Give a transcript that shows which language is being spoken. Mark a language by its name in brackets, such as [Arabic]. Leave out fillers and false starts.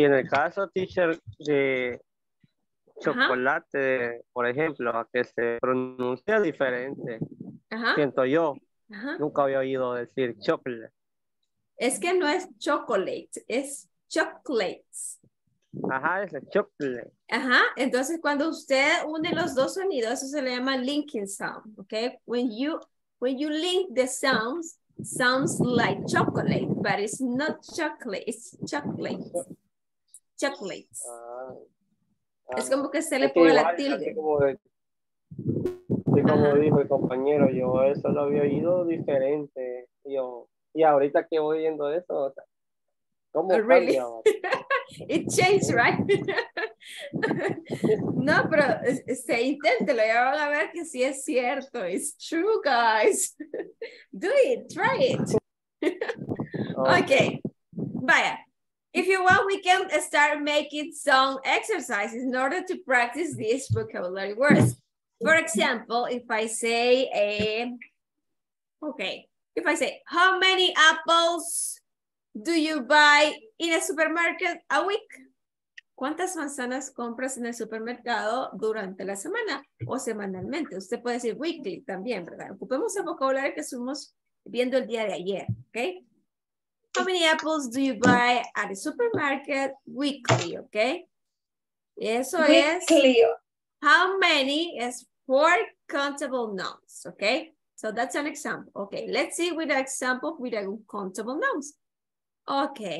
[Spanish] Y en el caso, teacher, de chocolate, ajá, por ejemplo, que se pronuncia diferente, ajá, siento yo, ajá, nunca había oído decir chocolate. Es que no es chocolate, es chocolates. Ajá, es el chocolate. Ajá, entonces cuando usted une los dos sonidos, eso se le llama linking sound, ¿ok? [English] When you link the sounds, sounds like chocolate, but it's not chocolate, it's chocolate. Chocolate. [Spanish] Es como que se le pone la tilde. Sí, como ajá, dijo el compañero, yo eso lo había oído diferente. Yo, y ahorita que voy oyendo eso, o sea, ¿cómo cambia? [English] Really? It changed, right? [Spanish] No, pero se inténtelo, ya van a ver que sí es cierto. [English] It's true, guys. Do it, try it. [Spanish] Okay, vaya. [English] If you want, we can start making some exercises in order to practice these vocabulary words. For example, if I say how many apples do you buy in a supermarket a week? [Spanish] ¿Cuántas manzanas compras en el supermercado durante la semana o semanalmente? Usted puede decir weekly también, ¿verdad? Ocupemos el vocabulario que estuvimos viendo el día de ayer, ¿ok? [English] How many apples do you buy at the supermarket weekly, ¿ok? [Spanish] Eso [English] weekly. Es... How many is four countable nouns, ¿ok? So that's an example. Ok, let's see with an example with a countable nouns. Ok.